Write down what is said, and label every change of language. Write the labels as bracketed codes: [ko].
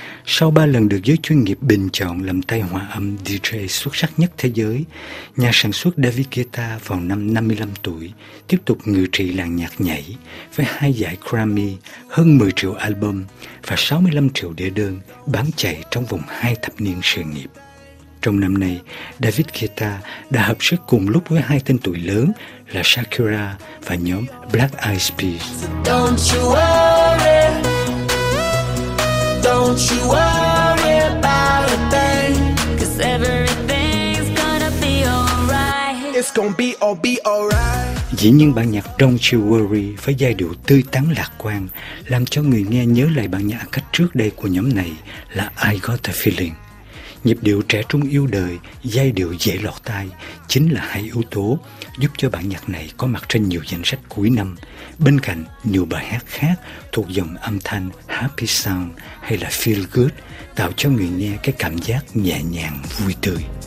[vi] Sau 3 lần được giới chuyên nghiệp bình chọn làm tay hòa âm DJ xuất sắc nhất thế giới, nhà sản xuất David Guetta vào năm 55 tuổi tiếp tục ngự trị làng nhạc nhảy với 2 giải Grammy, hơn 10 triệu album và 65 triệu đĩa đơn bán chạy trong vòng 2 thập niên sự nghiệp. Trong năm nay, David Guetta đã hợp sức cùng lúc với 2 tên tuổi lớn là Shakira và nhóm Black Eyed Peas. [en] Don't you worry. Don't you Don't you worry about a thing, 'cause everything's gonna be alright. It's gonna be all be alright. [vi] Dĩ nhiên bản nhạc Don't You Worry với giai điệu tươi tắn lạc quan làm cho người nghe nhớ lại bản nhạc cách trước đây của nhóm này là I Got A Feeling. Nhịp điệu trẻ trung yêu đời, giai điệu dễ lọt tai chính là hai yếu tố giúp cho bản nhạc này có mặt trên nhiều danh sách cuối năm, bên cạnh nhiều bài hát khác thuộc dòng âm thanh Happy Sound hay là Feel Good, tạo cho người nghe cái cảm giác nhẹ nhàng, vui tươi.